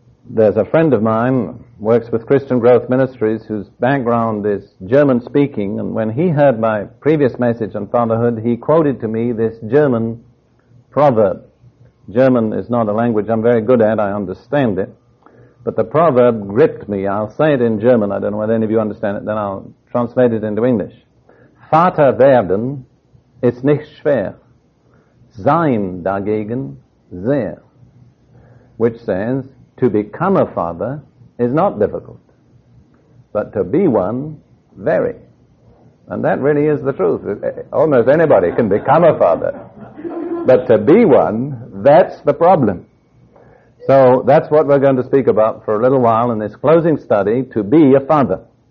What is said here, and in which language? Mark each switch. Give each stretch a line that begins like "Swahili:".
English: There's a friend of mine, works with Christian Growth Ministries, whose background is German-speaking, and when he heard my previous message on fatherhood, he quoted to me this German proverb. German is not a language I'm very good at, I understand it, but the proverb gripped me. I'll say it in German, I don't know whether any of you understand it, then I'll translate it into English.
German: Vater werden ist nicht schwer, sein dagegen sehr.
English: Which says, to become a father is not difficult, but to be one, very. And that really is the truth. Almost anybody can become a father. But to be one, that's the problem. So that's what we're going to speak about for a little while in this closing study, to be a father.